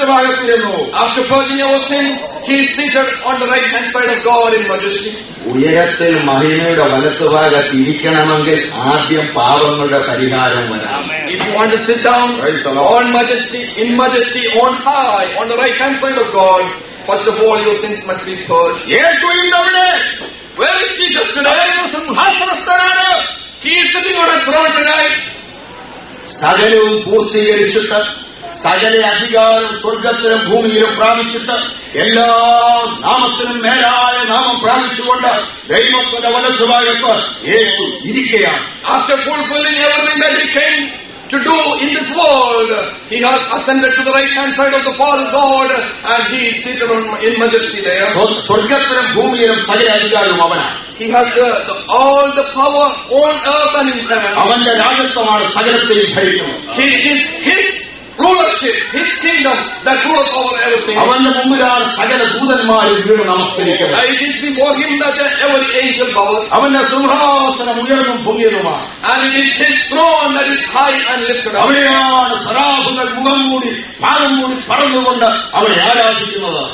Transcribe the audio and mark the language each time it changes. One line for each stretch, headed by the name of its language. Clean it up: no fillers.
English: After purging your sins, he is seated on the right hand side of God in majesty.
Malayalam: ഉയരത്തിൽ മഹിമയുടെ വലത്തുഭാഗത്ത് ഇരിക്കണമെങ്കിൽ ആദ്യം പാപങ്ങളുടെ പരിഹാരം വരാം.
English: If you want to sit down on majesty, in majesty, on high, on the right hand side of God, first of all your sins must be purged.
Malayalam: യേശു ഇന്നവിടെ.
English: Where is Jesus today?
Malayalam: സിംഹാസനസ്ഥനാണ്.
English: He is sitting on a throne tonight.
Malayalam: സകലവും പൂർത്തീകരിച്ചിട്ട് സകല അധികാരം സ്വർഗത്തിനും ഭൂമിയിലും പ്രാപിച്ചിട്ട് എല്ലാ നാമത്തിനും മേലായ നാമം പ്രാപിച്ചുകൊണ്ട് ദൈവത്തിന്റെ വലത്തുഭാഗത്ത് യേശു ഇരിക്കുകയാണ്.
English: To do in this world, he has ascended to the right hand side of the Father God, and he is seated on in majesty there.
Malayalam: സ്വർഗത്തിലും ഭൂമിയിലും സകല അധികാരവും അവനാണ്.
English: He has the all the power on earth and in heaven.
Malayalam: അവന്റെ രാജത്വമാണ് സകലത്തെയും ഭരിക്കുന്നത്.
English: He is his rulership, his kingdom that rules over everything.
Malayalam: അവന്റെ മുമ്പിലാണ് സകല ദൂതന്മാരും വീണു നമസ്കരിക്കുന്നത്.
English: It is before him that every angel bows.
Malayalam: അവന്റെ സിംഹാസനം ഉയർന്നും ഭൂമിയിലുമാണ്.
English: And it is his throne that is high and lifted up.
Malayalam: അവിടെയാണ് സറാഫുകൾ മുഖം മൂടി പാദം മൂടി പറന്നുകൊണ്ട് അവനെ ആരാധിക്കുന്നത്.